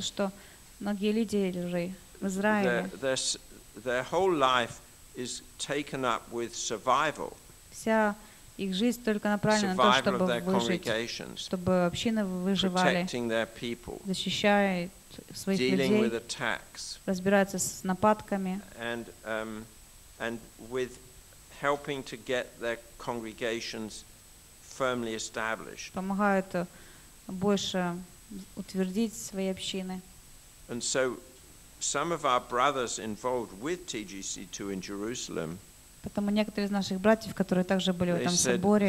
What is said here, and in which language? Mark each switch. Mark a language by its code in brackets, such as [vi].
[ru] что многие лидеры в Израиле, [en] their whole life is taken up with survival. [ru] Вся их жизнь только направлена на то, чтобы выжить, чтобы общины выживали, [en] protecting their people, [ru] защищая своих [en] dealing [ru] людей, [en] with attacks, [ru] разбираются с нападками, [en] and with helping to get their congregations firmly established. [ru] Помогают больше утвердить свои общины. [en] And so, some of our brothers involved with TGC 2 in Jerusalem. [ru] Поэтому некоторые из наших братьев, которые также были в этом соборе,